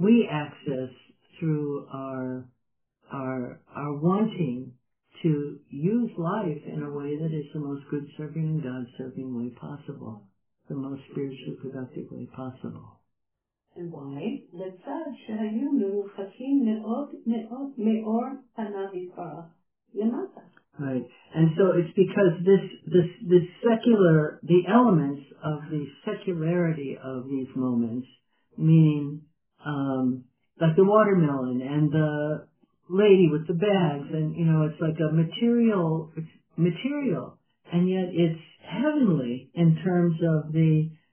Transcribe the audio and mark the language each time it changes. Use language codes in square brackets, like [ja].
[en] access through our wanting to use life in a way that is the most good serving and God serving way possible, the most spiritually productive way possible. Why? [he] לצד שהיו מרוחקים מאוד מאוד מאור פניו יתברך למטה. [en] Right, and so it's because this secular, the elements of the secularity of these moments, meaning like the watermelon and the lady with the bags, and you know, it's like a material, it's material, and yet it's heavenly in terms of the